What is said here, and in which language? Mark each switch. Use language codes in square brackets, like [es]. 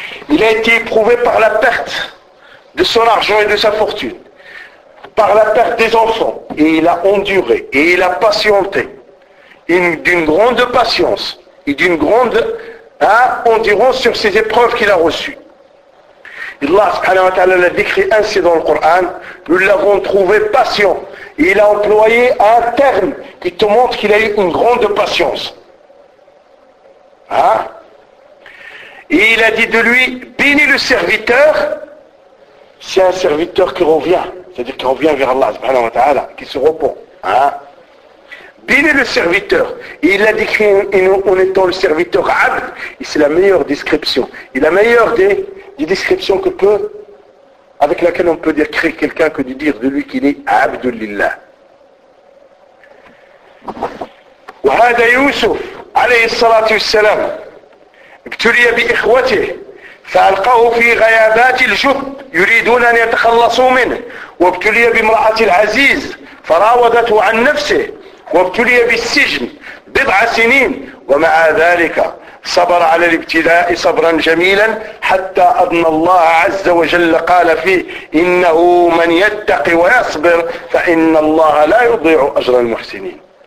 [fr] Il a été éprouvé par la perte de son argent et de sa fortune, par la perte des enfants, et il a enduré, et il a patienté, d'une grande patience et d'une grande endurance sur ces épreuves qu'il a reçues. Allah subhanahu wa ta'ala l'a décrit ainsi dans le Coran, nous l'avons trouvé patient, et il a employé un terme qui te montre qu'il a eu une grande patience. Et il a dit de lui, bénis le serviteur, c'est un serviteur qui revient, c'est-à-dire qui revient vers Allah subhanahu wa ta'ala, qui se repent. Hein? Bénis le serviteur. Et il l'a décrit en étant le serviteur abd, et c'est la meilleure description. Et la meilleure des descriptions que peut, avec laquelle on peut décrire quelqu'un, que de dire de lui qu'il est abdulillah. [ar] وهذا يوسف عليه الصلاة والسلام ابتلي بإخوته فألقاه في غيابات الجب يريدون أن يتخلصوا منه وابتلي بامرأة العزيز فراودته عن نفسه وابتلي بالسجن بضع سنين ومع ذلك صبر على الابتلاء صبرا جميلا حتى أن الله عز وجل قال فيه إنه من يتقي ويصبر فإن الله لا يضيع أجر المحسنين